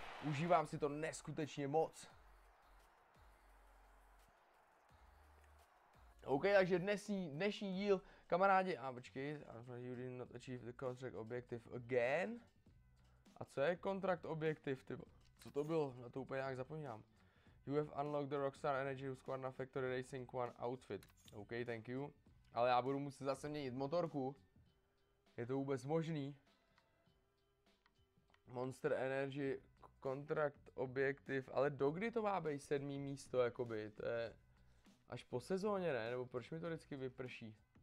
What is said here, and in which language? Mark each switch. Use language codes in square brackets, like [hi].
[cs] Užívám si to neskutečně moc. OK, takže dnešní díl, kamarádi, a počkej, [en] you did not achieve the contract objective again. [cs] A co je [en] contract objective, [cs] tybo? Co to bylo? Na to úplně nějak zapomínám. [en] You have unlocked the Rockstar Energy Squad na Factory Racing One outfit. OK, thank you. [cs] Ale já budu muset zase měnit motorku. Je to vůbec možný? Monster Energy contract objective, ale dokdy to má být sedmý místo, jakoby, to je... Až po sezóně, ne? Nebo proč mi to vždycky vyprší?